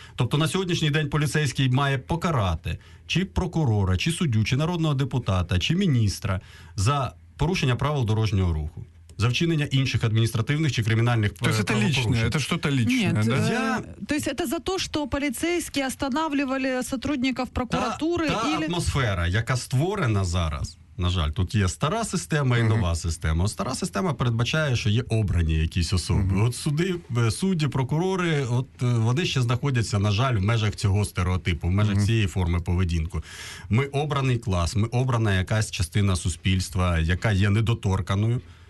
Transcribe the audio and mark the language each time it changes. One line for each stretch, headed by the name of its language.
Ukrainian: Тобто на сьогоднішній день поліцейський має покарати чи прокурора, чи суддю, чи народного депутата, чи міністра за порушення правил дорожнього руху. За вчинення інших адміністративних чи кримінальних правопорушень.
Russian: То есть это личное, это что-то личное, да? То есть это за то, что полицейские останавливали сотрудников прокуратуры? Та или...
Ukrainian: атмосфера, яка створена зараз, на жаль, тут є стара система і нова система. Стара система передбачає, що є обрані якісь особи. От судді, прокурори, от вони ще знаходяться, на жаль, в межах цього стереотипу, в межах цієї форми поведінку. Ми обраний клас, ми обрана якась частина суспільства, яка є недоторканою.